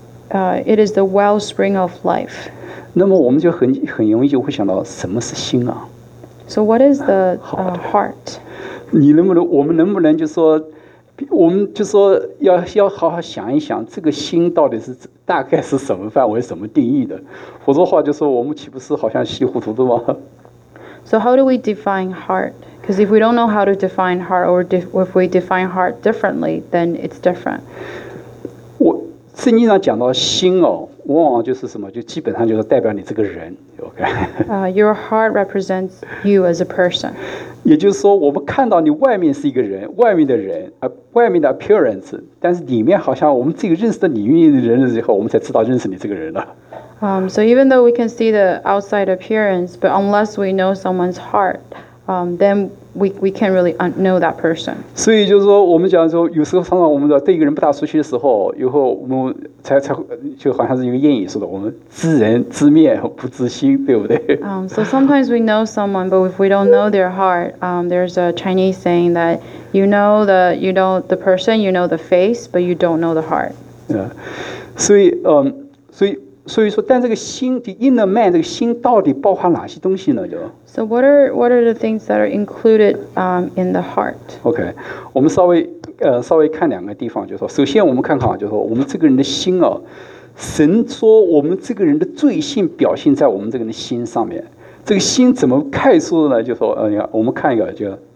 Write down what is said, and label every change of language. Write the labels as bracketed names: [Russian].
[English] It is the wellspring of life. [Chinese] 那么我们就很容易就会想到什么是心啊 [English] ？So what is the heart? [Chinese] 我们能不能就说，我们就说要好好想一想，这个心到底是大概是什么范围、什么定义的？否则的话，就说我们岂不是好像稀里糊涂的吗 [English] ？So how do we define heart? Because if we don't know how to define heart, or if we define heart differently, then it's different. [Chinese] 圣经上讲到心哦，往往就是什么，就基本上就是代表你这个人 ，OK。 [English] Your heart represents you as a person。 [Chinese] 也就是说，我们看到你外面是一个人，外面的人，外面的 appearance， 但是里面好像我们自己认识的你的人了之后，我们才知道认识你这个人了。 [English] So even though we can see the outside appearance, but unless we know someone's heart, then we can't really know that person. [Chinese] 所以就是说，我们讲说，有时候常常我们的对一个人不大熟悉的时候，以后我们才就好像是一个谚语似的，我们知人知面不知心，对不对 [English] ？So sometimes we know someone, but if we don't know their heart, there's a Chinese saying that you know the person, you know the face, but you don't know the heart. Yeah. [Chinese] 所以说，但这个心的 [English] inner man [Chinese] 这个心到底包含哪些东西呢？就 [English] So what are the things that are included in the heart? [Chinese] Okay, 我们稍微看两个地方，就是说，首先我们看看，就是说我们这个人的心啊，神说我们这个人的罪性表现在我们这个人的心上面，这个心怎么概述的呢？就说你看，我们看一个就。